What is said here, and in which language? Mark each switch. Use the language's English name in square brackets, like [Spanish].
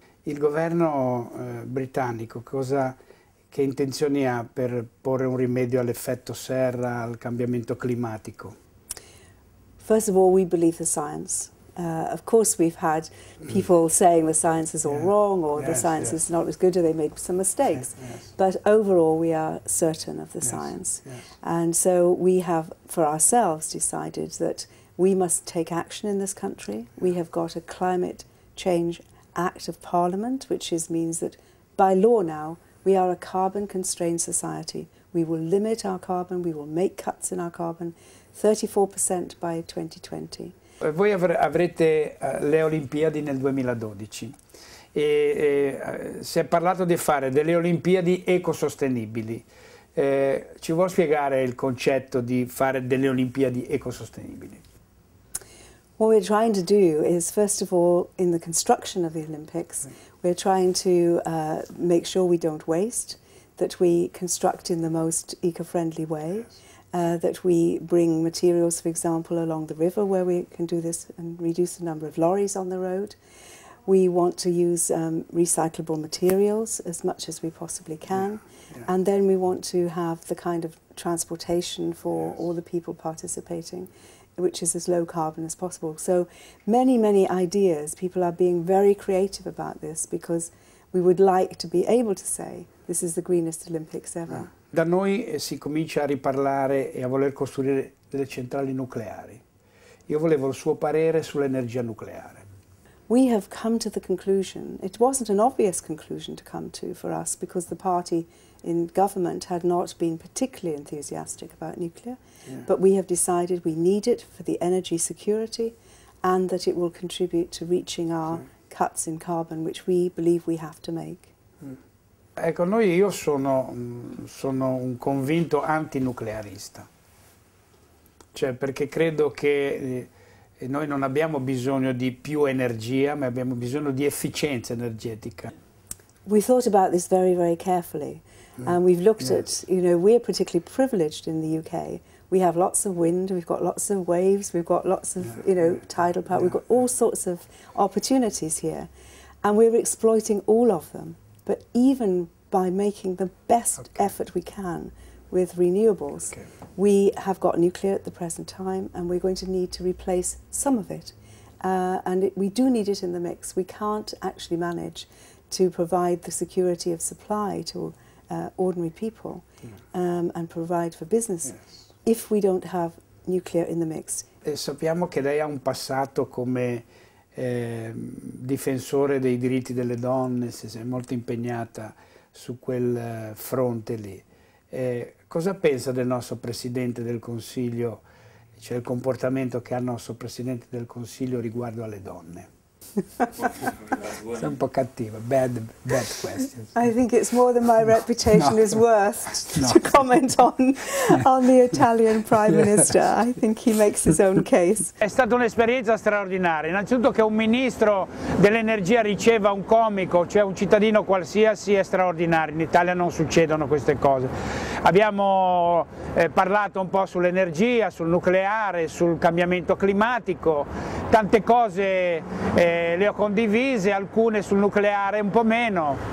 [Italian] Il governo britannico che intenzioni ha per porre un rimedio all'effetto serra, al cambiamento climatico? [English] First of all, we believe the science. Of course, we've had people saying the science is all, yeah, wrong, or, yes, the science, yes, is not as good, or they made some mistakes. Yes, yes. But overall, we are certain of the, yes, science. Yes. And so we have, for ourselves, decided that we must take action in this country. We have got a climate change Act of Parliament, which means that by law now we are a carbon constrained society. We will limit our carbon, we will make cuts in our carbon, 34% by 2020. [Italian] Voi avrete le Olimpiadi nel 2012 e si è parlato di fare delle Olimpiadi ecosostenibili. Ci vuol spiegare il concetto di fare delle Olimpiadi ecosostenibili? [English] What we're trying to do is, first of all, in the construction of the Olympics, we're trying to make sure we don't waste, that we construct in the most eco-friendly way, that we bring materials, for example, along the river where we can do this and reduce the number of lorries on the road. We want to use recyclable materials as much as we possibly can. Yeah. Yeah. And then we want to have the kind of transportation for, yes, all the people participating, which is as low carbon as possible. So many, many ideas. People are being very creative about this because we would like to be able to say this is the greenest Olympics ever. [Italian] Da noi si comincia a riparlare e a voler costruire delle centrali nucleari. Io volevo il suo parere sull'energia nucleare. [English] We have come to the conclusion, it wasn't an obvious conclusion to come to for us because the party in government had not been particularly enthusiastic about nuclear, yeah, but we have decided we need it for the energy security and that it will contribute to reaching our, sure, cuts in carbon, which we believe we have to make. Mm. [Italian] Ecco, noi, io sono un convinto antinuclearista, cioè perché credo che noi non abbiamo bisogno di più energia, ma abbiamo bisogno di efficienza energetica. [English] We thought about this very, very carefully. And we've looked, yes, at, you know, we're particularly privileged in the UK. We have lots of wind, we've got lots of waves, we've got lots of, yeah, you know, yeah, tidal power, yeah, we've got all, yeah, sorts of opportunities here. And we're exploiting all of them. But even by making the best effort we can with renewables. Okay. We have got nuclear at the present time, and we're going to need to replace some of it. We do need it in the mix. We can't actually manage to provide the security of supply to ordinary people and provide for business if we don't have nuclear in the mix. [Italian] Sappiamo che lei ha un passato come difensore dei diritti delle donne, si è molto impegnata su quel fronte lì. Cosa pensa del nostro Presidente del Consiglio, cioè il comportamento che ha il nostro Presidente del Consiglio riguardo alle donne? Sei un po' cattiva. [English] Bad questions. I think it's more than my reputation is worth to comment on the Italian Prime Minister. I think he makes his own case. [Italian] È stata un'esperienza straordinaria. Innanzitutto che un ministro dell'energia riceva un comico, cioè un cittadino qualsiasi, è straordinario. In Italia non succedono queste cose. Abbiamo parlato un po' sull'energia, sul nucleare, sul cambiamento climatico, tante cose le ho condivise, alcune sul nucleare un po' meno.